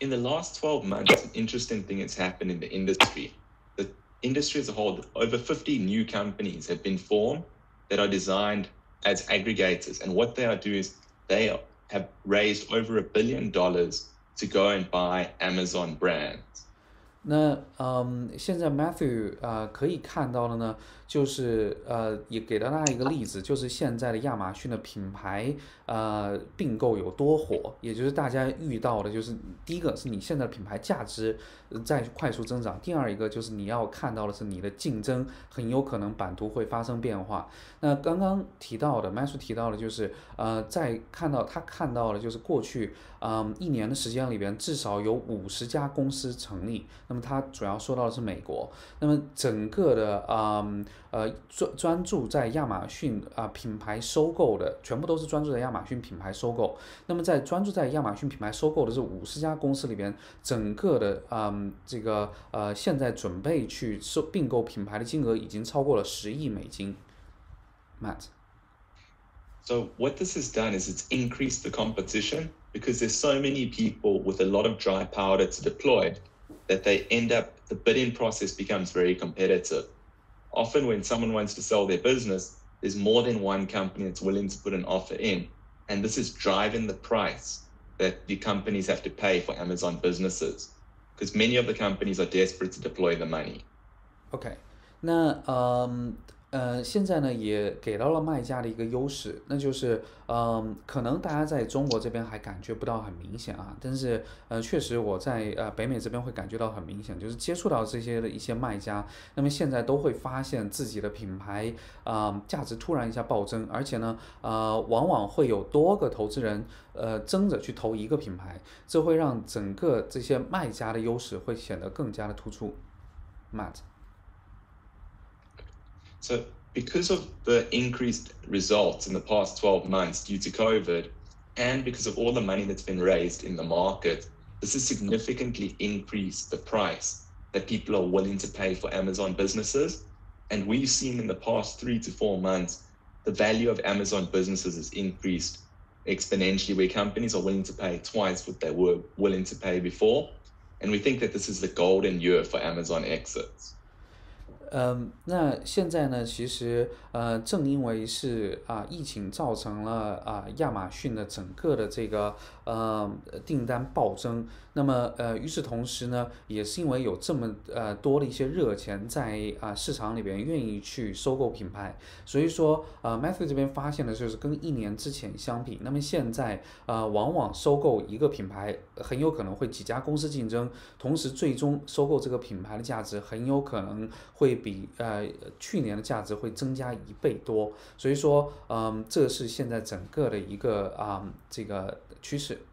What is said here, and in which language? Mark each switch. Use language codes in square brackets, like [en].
[en] in the last 12 months, an interesting thing has happened in the industry. The industry as a whole, over 50 new companies have been formed that are designed as aggregators. And what they are doing is they have raised over $1 billion to go and buy Amazon brands. [zh] 那现在 Matthew 可以看到的呢，就是也给到大家一个例子，就是现在的亚马逊的品牌并购有多火，也就是大家遇到的，就是第一个是你现在的品牌价值在快速增长，第二一个就是你要看到的是你的竞争很有可能版图会发生变化。那刚刚提到的 Matthew 提到的就是在看到他看到的就是过去一年的时间里边至少有50家公司成立。那么他主要说到的是美国，那么整个的专注在亚马逊品牌收购的，全部都是专注在亚马逊品牌收购。那么在专注在亚马逊品牌收购的这50家公司里边，整个的现在准备去收并购品牌的金额已经超过了10亿美金。 Matt, [en] so what this has done is it's increased the competition because there's so many people with a lot of dry powder to deploy. That they end up, the bidding process becomes very competitive. Often when someone wants to sell their business, there's more than one company that's willing to put an offer in. And this is driving the price that the companies have to pay for Amazon businesses, because many of the companies are desperate to deploy the money. Okay. [zh] 那现在呢也给到了卖家的一个优势，那就是可能大家在中国这边还感觉不到很明显啊，但是确实我在北美这边会感觉到很明显，就是接触到这些的一些卖家，那么现在都会发现自己的品牌价值突然一下暴增，而且呢往往会有多个投资人争着去投一个品牌，这会让整个这些卖家的优势会显得更加的突出。 Matt, [en] So because of the increased results in the past 12 months due to COVID, and because of all the money that's been raised in the market, this has significantly increased the price that people are willing to pay for Amazon businesses. And we've seen in the past 3 to 4 months, the value of Amazon businesses has increased exponentially, where companies are willing to pay twice what they were willing to pay before. And we think that this is the golden year for Amazon exits. [zh] 那现在呢其实正因为是疫情造成了亚马逊的整个的这个订单暴增，那么与此同时呢也是因为有这么多的一些热钱在市场里边愿意去收购品牌，所以说Matthew 这边发现的就是跟一年之前相比，那么现在往往收购一个品牌很有可能会几家公司竞争，同时最终收购这个品牌的价值很有可能会比去年的价值会增加一倍多，所以说这是现在整个的一个这个趋势。